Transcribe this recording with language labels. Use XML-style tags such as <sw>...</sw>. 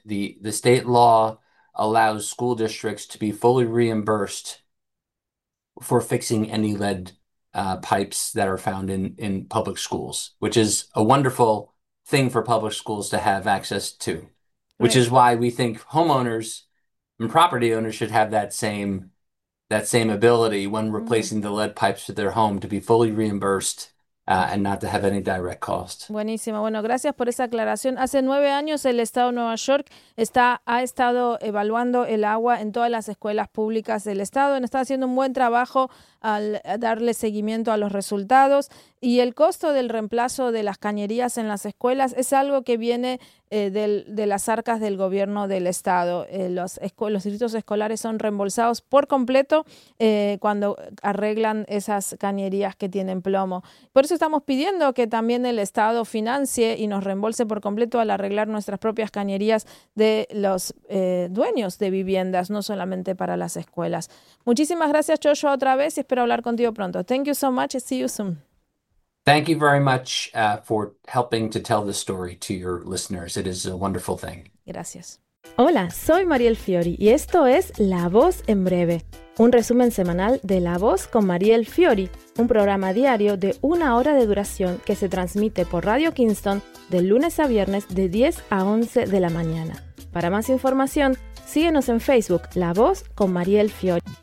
<en>The state law allows school districts to be fully reimbursed for fixing any lead pipes that are found in public schools, which is a wonderful thing for public schools to have access to, which Right. is why we think homeowners and property owners should have that same ability when replacing the lead pipes to their home to be fully reimbursed and not to have any direct cost.</en> <es>Buenísimo. Bueno, gracias por esa aclaración. Hace 9 años el estado de Nueva York ha estado evaluando el agua en todas las escuelas públicas del estado. Está haciendo un buen trabajo al darle seguimiento a los resultados. Y el costo del reemplazo de las cañerías en las escuelas es algo que viene de las arcas del gobierno del estado. Los distritos escolares son reembolsados por completo cuando arreglan esas cañerías que tienen plomo. Por eso estamos pidiendo que también el estado financie y nos reembolse por completo al arreglar nuestras propias cañerías de los dueños de viviendas, no solamente para las escuelas. Muchísimas gracias, Joshua, otra vez y espero hablar contigo pronto.</es> <en>Thank you so much. See you soon. Thank you very much for helping to tell the story to your listeners. It is a wonderful thing.</en> <es>Gracias. Hola, soy Mariel Fiori y esto es La Voz en Breve, un resumen semanal de La Voz con Mariel Fiori, un programa diario de 1 hora de duración que se transmite por Radio Kingston de lunes a viernes de 10 a 11 de la mañana. Para más información, síguenos en Facebook La Voz con Mariel Fiori.</es>